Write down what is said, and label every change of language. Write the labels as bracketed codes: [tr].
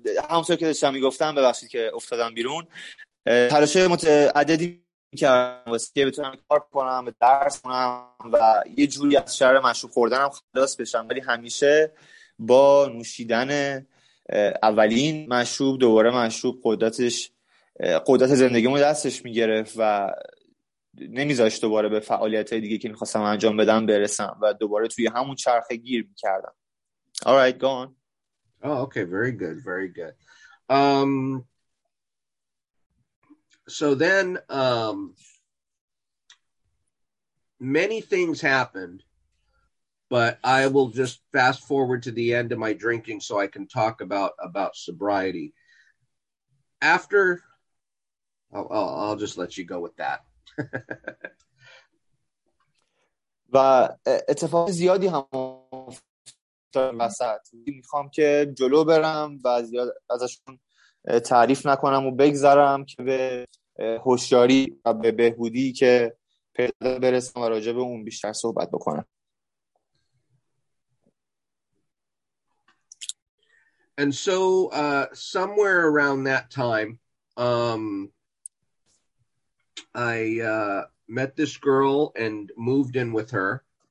[fa] همونطور که داشتم میگفتم، ببخشید که افتادم بیرون. تلاشای متعددی میکردم واسه که بتونم کار کنم، درس کنم و یه جوری از شر مشروب خوردنم خلاص بشم، ولی همیشه با نوشیدن اولین مشروب دوباره مشروب قدرت زندگیمو دستش میگرفت و نمیذاشت دوباره به فعالیت های دیگه که میخواستم انجام بدم برسم و دوباره توی همون چرخه گیر میکردم. [en] Alright, go on. Oh, okay, very good, very good. So then many things happened. But I will just fast forward to the end of my drinking so I can talk about sobriety. After, I'll just let you go with that. [fa] و اتفاق زیادی هم افتاد وسط. میخوام که جلو برم و زیاد ازشون تعریف نکنم و بگذرم که به هوشیاری و به بهبودی که پیدا برسم و راجع به اون بیشتر صحبت بکنم. [en] And so somewhere around that time, I met this girl and moved in with her.